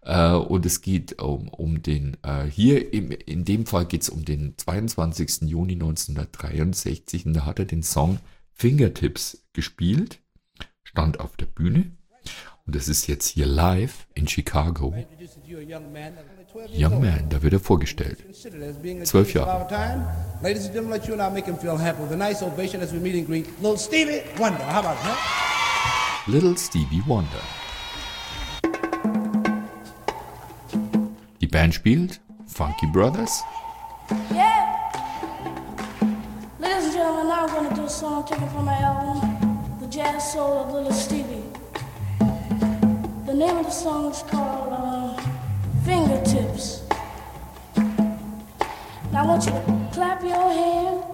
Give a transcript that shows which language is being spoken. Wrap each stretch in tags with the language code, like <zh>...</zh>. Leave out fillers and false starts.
<de>Und es geht um den, hier in dem Fall geht es um den 22. Juni 1963 und da hat er den Song Fingertips gespielt, stand auf der Bühne. Und das ist jetzt hier live in Chicago.</de> <en>Young man,</en> <de>da wird er vorgestellt. 12 Jahre.</de> <en>Ladies and gentlemen, let you and I make him feel happy with a nice ovation as we meet and greet Little Stevie Wonder. How about that? Little Stevie Wonder.</en> <de>Die Band spielt Funky Brothers.</de> <en>Yeah. Ladies and gentlemen, now we're going to do a song taken from my album, The Jazz Soul of Little Stevie. The name of the song is called Fingertips. Now I want you to clap your hand.</en>